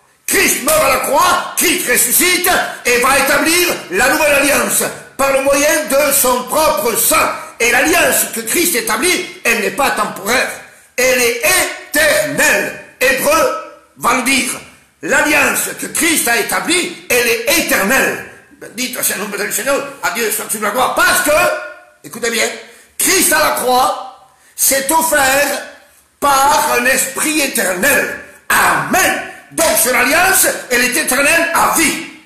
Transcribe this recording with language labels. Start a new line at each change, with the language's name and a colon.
French: Christ meurt à la croix, Christ ressuscite et va établir la nouvelle alliance par le moyen de son propre sang. Et l'alliance que Christ établit, elle n'est pas temporaire. Elle est éternelle. Hébreux va le dire. L'alliance que Christ a établie, elle est éternelle.
Spanish: Bendito sea el nombre del Señor, a Dios sea la gloire.
French: Parce que, écoutez bien, Christ à la croix s'est offert par un esprit éternel. Amen. Donc sur l'alliance, elle est éternelle à vie.